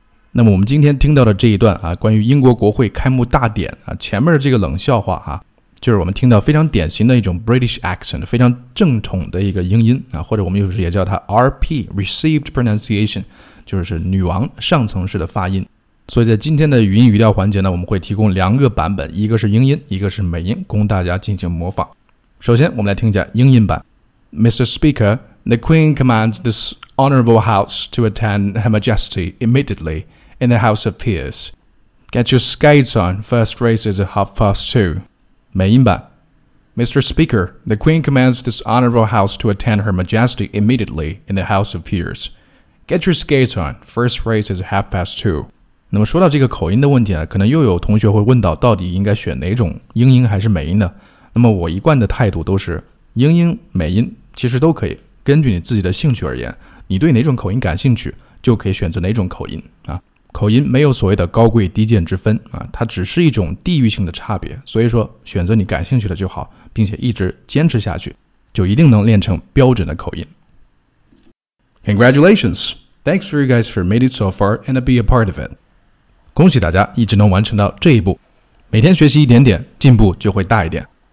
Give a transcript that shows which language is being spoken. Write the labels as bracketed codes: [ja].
[zh] 那么我们今天听到的这一段啊，关于英国国会开幕大典啊，前面的这个冷笑话啊，就是我们听到非常典型的一种 British accent， 非常正统的一个英音啊，或者我们有时也叫它 RP Received Pronunciation， 就是女王上层式的发音。所以在今天的语音语调环节呢，我们会提供两个版本，一个是英音，一个是美音，供大家进行模仿。首先我们来听一下英音版。 [en] Mr. Speaker, the Queen commands thisHonorable House to attend Her Majesty immediately in the House of Peers. Get your skates on, first race is at 2:30. [zh] 美音版 [en] Mr. Speaker, the Queen commands this Honorable House to attend Her Majesty immediately in the House of Peers. Get your skates on, first race is at 2:30. [zh] 那么说到这个口音的问题呢，可能又有同学会问到到底应该选哪种英音还是美音呢？那么我一贯的态度都是英音、美音其实都可以，根据你自己的兴趣而言，你对哪种口音感兴趣就可以选择哪种口音啊。口音没有所谓的高贵低贱之分啊，它只是一种地域性的差别，所以说选择你感兴趣的就好，并且一直坚持下去，就一定能练成标准的口音。 [en] Congratulations! Thanks for you guys for made it so far and to be a part of it. [zh] 恭喜大家一直能完成到这一步，每天学习一点点，进步就会大一点。